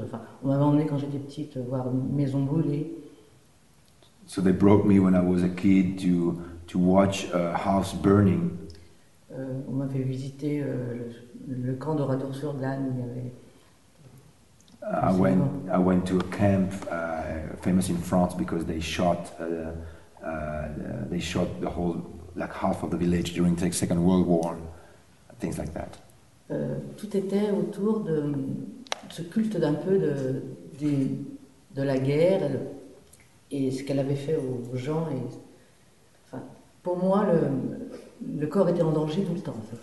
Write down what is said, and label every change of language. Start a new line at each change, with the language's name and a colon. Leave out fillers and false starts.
French: Enfin, on m'avait emmené quand j'étais petite voir maison brûlée.
English: So they brought me when I was a kid to watch a house burning.
French: On m'avait visité le camp de Radour-sur-Glane.
English: I went to a camp famous in France because they shot the whole like half of the village during the Second World War, things like that.
French: Tout était autour de ce culte d'un peu de la guerre et ce qu'elle avait fait aux gens et enfin pour moi le corps était en danger tout le temps.